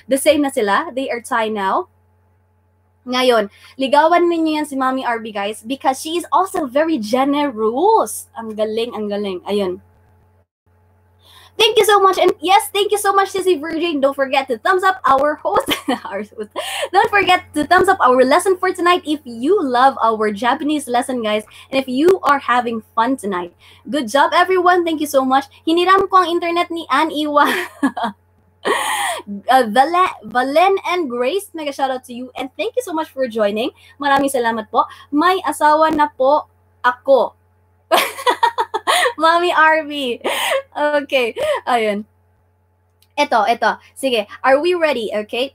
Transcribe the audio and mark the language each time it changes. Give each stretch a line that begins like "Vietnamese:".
English: The same
Filipino: na sila.
English: They are tied now.
Filipino: Ngayon, ligawan ninyo yan si
English: Mommy RB, guys, because she is also very generous.
Filipino: Ang galing, ang galing.
English: Ayun. Thank you so much. And yes, thank you so much, Sissy Virgin. Don't forget to thumbs up our host. Don't forget to thumbs up our lesson for tonight if you love our Japanese lesson, guys. And if you are having fun tonight. Good job, everyone. Thank you so much.
Filipino: Hiniram ko ang internet ni Ann Iwa.
English: Valen and Grace, mega shout out to you. And thank you so much for joining.
Filipino: Maraming salamat po. May asawa na po ako.
English: Mommy Arby. Okay. Ayun.
Filipino: Ito. Sige.
English: Are we ready? Okay.